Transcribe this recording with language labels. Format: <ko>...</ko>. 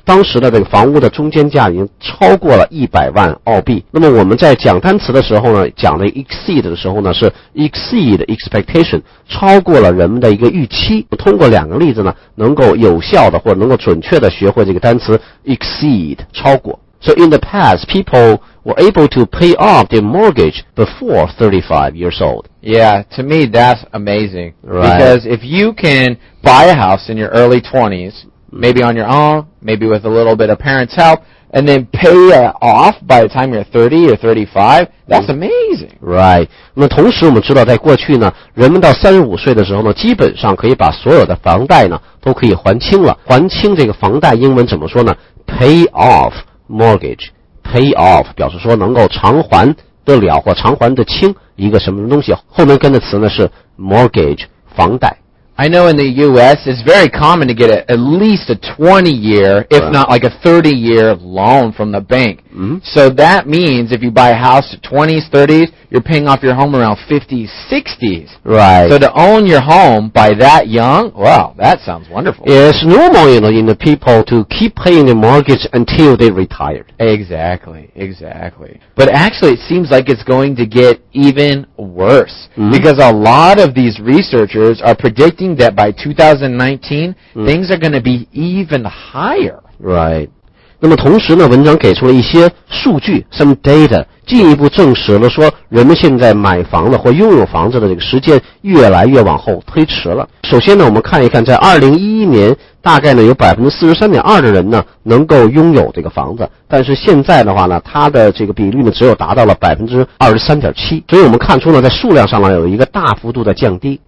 <zh>当时的这个房屋的中间价已经超过了100万澳币。那么我们在讲单词的时候呢，讲的 exceed 的时候呢，是</zh> <en>exceed expectation,</en> <zh>超过了人们的一个预期。通过两个例子呢，能够有效的或者能够准确的学会这个单词 exceed, 超过。</zh> <en>So in the past, people were able to pay off their mortgage before 35 years old. Yeah, to me, that's amazing. Right. Because if you can buy a house in your early 20s, maybe on your own, maybe with a little bit of parents' help, and then pay off by the time you're 30 or 35, that's amazing. Right.</en> <zh>那同时我们知道在过去呢，人们到35岁的时候呢，基本上可以把所有的房贷呢，都可以还清了。还清这个房贷英文怎么说呢？</zh> <en>Pay off. Mortgage, pay off,</en> <zh>表示说能够偿还得了或偿还得清一个什么东西，后面跟的词呢是 mortgage, 房贷。</zh> <en>I know in the US, it's very common to get at least a 20-year, if not like a 30-year loan from the bank. Mm-hmm. So that means if you buy a house in 20s, 30s, you're paying off your home around 50s, 60s. Right. So to own your home by that young, wow, that sounds wonderful. It's normal, you know, in the people to keep paying the mortgage until they retired. Exactly, exactly. But actually, it seems like it's going to get even worse, mm-hmm. because a lot of these researchers are predicting that by 2019, things are going to be even higher. Right.</en> <zh>那么同时呢，文章给出了一些数据</zh> <en>some data，</en> <zh>进一步证实了说人们现在买房子或拥有房子的这个时间越来越往后推迟了。首先呢，我们看一看在2011年大概呢有 43.2% 的人呢能够拥有这个房子，但是现在的话呢，它的这个比率呢只有达到了 23.7%， 所以我们看出呢在数量上呢有一个大幅度的降低。</zh>